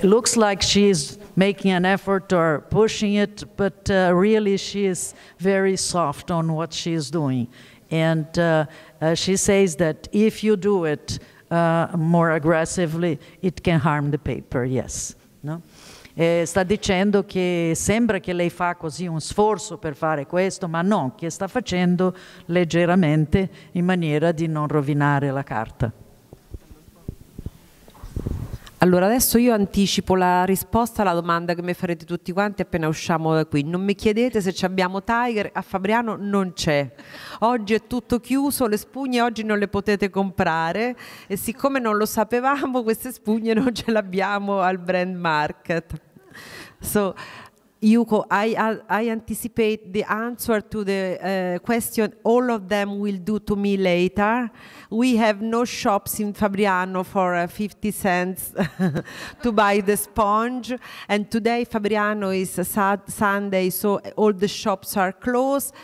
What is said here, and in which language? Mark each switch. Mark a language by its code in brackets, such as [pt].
[en] Looks like she's making an effort or pushing it, but really she is very soft on what she's doing. And she says that if you do it more aggressively, it can harm the paper, yes. No? [it] Sta dicendo che sembra che lei fa così un sforzo per fare questo, ma no, che sta facendo leggeramente in maniera di non rovinare la carta. Allora, adesso io anticipo la risposta alla domanda che mi farete tutti quanti appena usciamo da qui. Non mi chiedete se ci abbiamo Tiger, a Fabriano non c'è. Oggi è tutto chiuso, le spugne oggi non le potete comprare e siccome non lo sapevamo, queste spugne non ce le abbiamo al brand market. [en] So, Yuko, I anticipate the answer to the question all of them will do to me later. We have no shops in Fabriano for 50 cents to buy the sponge. And today Fabriano is Sunday, so all the shops are closed.